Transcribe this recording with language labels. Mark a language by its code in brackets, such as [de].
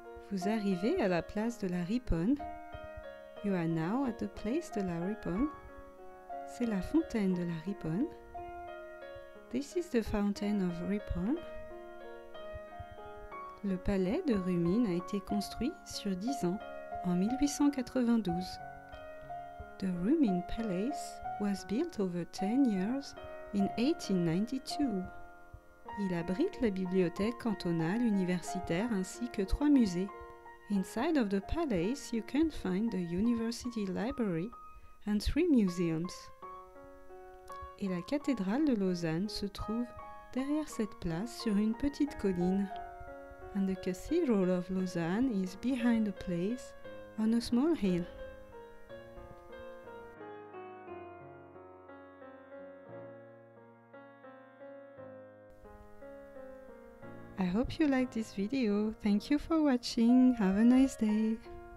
[fr] Vous arrivez à la place de la Riponne. [en] You are now at the place de la Riponne. [fr] C'est la fontaine de la Riponne. [en] This is the fountain of Riponne. [fr] Le palais de Rumine a été construit sur 10 ans, en 1892. [en] The Rumine Palace was built over 10 years in 1892. [fr] Il abrite la bibliothèque cantonale universitaire ainsi que 3 musées. [en] Inside of the palace, you can find the university library and 3 museums. [fr] Et la cathédrale de Lausanne se trouve derrière cette place sur une petite colline. [en] And the cathedral of Lausanne is behind the place on a small hill. I hope you liked this video. Thank you for watching. Have a nice day.